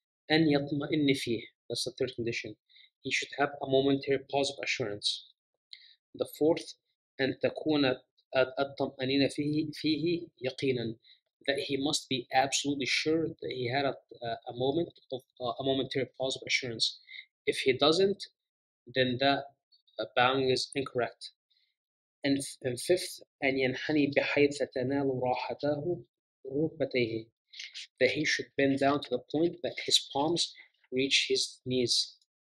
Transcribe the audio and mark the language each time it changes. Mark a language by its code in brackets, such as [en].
[ar] أن يطمئن فيه, [en] that's the third condition. He should have a momentary pause of assurance. The fourth, [ar] أن تكون الطمأنينة فيه يقينا, [en] that he must be absolutely sure that he had a momentary pause of assurance. If he doesn't, then that bowing is incorrect. And fifth, [ar] أن ينحني بحيث تنال راحته ركبتيه, [en] that he should bend down to the point that his palms reach his knees.